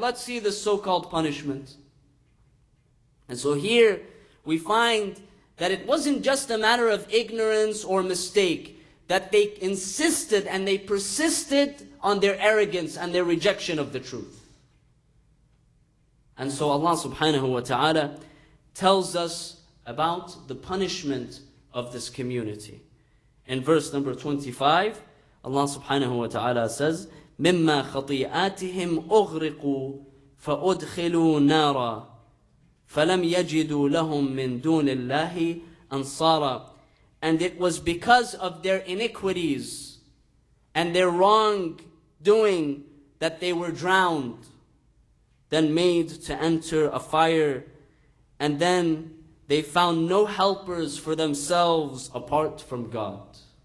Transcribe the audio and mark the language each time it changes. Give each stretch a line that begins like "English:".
English: Let's see this so-called punishment. And so here we find that it wasn't just a matter of ignorance or mistake, that they insisted and they persisted on their arrogance and their rejection of the truth. And so Allah subhanahu wa ta'ala tells us about the punishment of this community. In verse number 25, Allah subhanahu wa ta'ala says,
Arabic: مِمَّا خَطِيئَاتِهِمْ أُغْرِقُوا فَأُدْخِلُوا نَارًا فَلَمْ يَجِدُوا لَهُمْ مِن دُونِ اللَّهِ أَنصَارًا.
English: And it was because of their iniquities and their wrong doing that they were drowned, then made to enter a fire, and then they found no helpers for themselves apart from God.